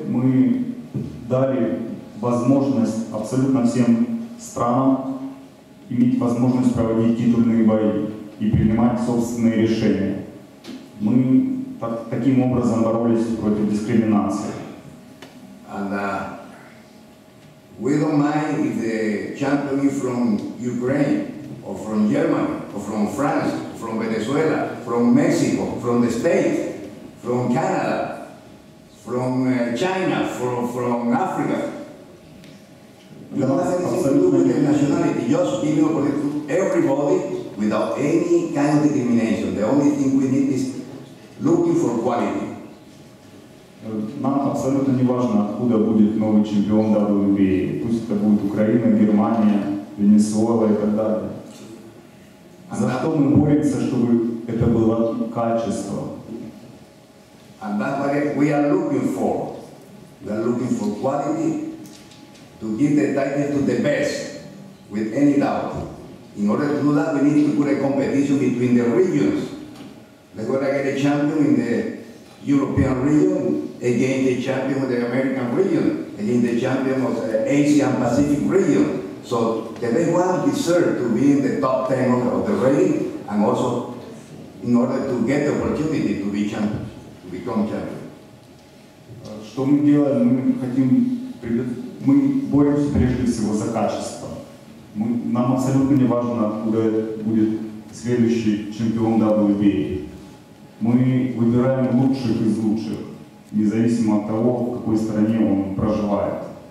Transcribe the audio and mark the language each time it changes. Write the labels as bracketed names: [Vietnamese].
[Russian] Мы дали возможность абсолютно всем странам иметь возможность проводить титульные бои и принимать собственные решения. Мы таким образом боролись против дискриминации. [English] And we don't mind if the champion is from Ukraine or from Germany or from France, from Venezuela, from Mexico, from the States, from Canada, from China, from Africa. You don't have anything to do with your nationality, just giving opportunity to everybody without any kind of discrimination. The only thing we need is looking for quality. Нам абсолютно не важно, откуда будет новый чемпион WBA. Пусть это будет Украина, Германия, Венесуэла и так далее. За что мы боремся, чтобы это было качество? And that's what we are looking for. We are looking for quality. To give the title to the best, with any doubt. In order to do that, we need to put a competition between the regions. Like when I get a champion in the European region, against the champion of the American region, against the champion of the Asia and Pacific region. So the best one deserves to be in the top 10 of the rating, and also in order to get the opportunity to be champion, to become champion. [Russian] Что мы делаем? Мы хотим Мы боремся прежде всего за качество. Нам абсолютно не важно, откуда будет следующий чемпион WBA. Мы выбираем лучших из лучших, независимо от того, в какой стране он проживает.